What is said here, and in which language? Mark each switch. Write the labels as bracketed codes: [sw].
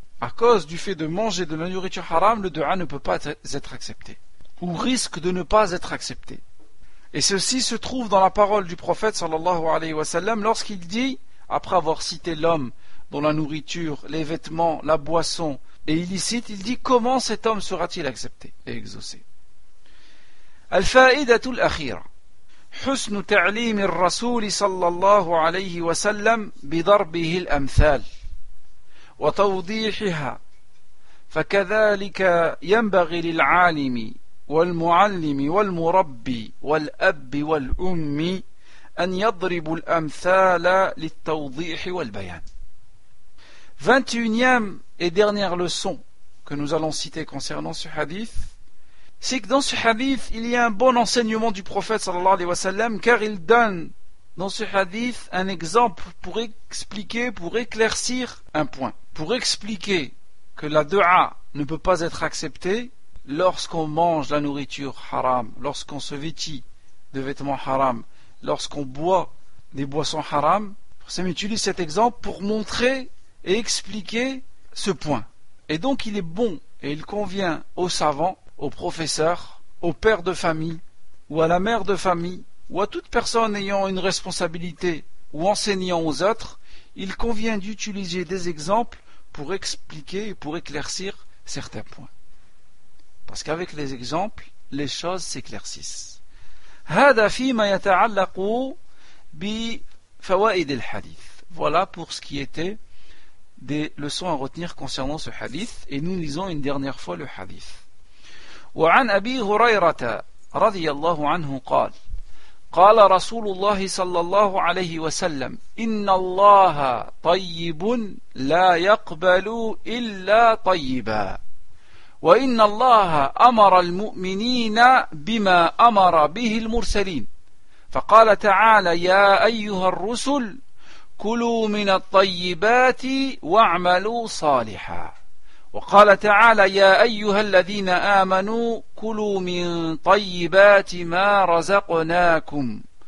[fr] À cause du fait de manger de la nourriture haram, le dua ne peut pas être accepté ou risque de ne pas être accepté. Et ceci se trouve dans la parole du prophète sallallahu alayhi wa sallam lorsqu'il dit, après avoir cité l'homme dont la nourriture, les vêtements, la boisson est illicite, il dit comment cet homme sera-t-il accepté et exaucé. [ar] الفائدة الأخيرة حسن تعليم الرسول صلى الله عليه وسلم بضربه الأمثال وتوضيحها فكذلك ينبغي للعالم والمعلم والمربي والأب والأم أن يضرب الأمثال للتوضيح والبيان. [fr] 21e et dernière leçon que nous allons citer concernant ce hadith, c'est que dans ce hadith, il y a un bon enseignement du prophète sallallahu alayhi wa sallam, car il donne dans ce hadith un exemple pour expliquer, pour éclaircir un point. Pour expliquer que la dua ne peut pas être acceptée lorsqu'on mange la nourriture haram, lorsqu'on se vêtit de vêtements haram, lorsqu'on boit des boissons haram. Ça m'utilise cet exemple pour montrer et expliquer ce point. Et donc il est bon et il convient aux savants, au professeur, au père de famille ou à la mère de famille ou à toute personne ayant une responsabilité ou enseignant aux autres, il convient d'utiliser des exemples pour expliquer et pour éclaircir certains points. Parce qu'avec les exemples, les choses s'éclaircissent. [ar] هذا فيما يتعلق بفوائد الحديث. [fr] Voilà pour ce qui était des leçons à retenir concernant ce hadith. Et nous lisons une dernière fois le hadith. [ar] وعن أبي هريرة رضي الله عنه قال قال رسول الله صلى الله عليه وسلم إن الله طيب لا يقبل إلا طيبا وإن الله أمر المؤمنين بما أمر به المرسلين فقال تعالى يا أيها الرسل كلوا من الطيبات واعملوا صالحا وقال تعالى يا أيها الذين آمنوا كلوا من طيبات ما رزقناكم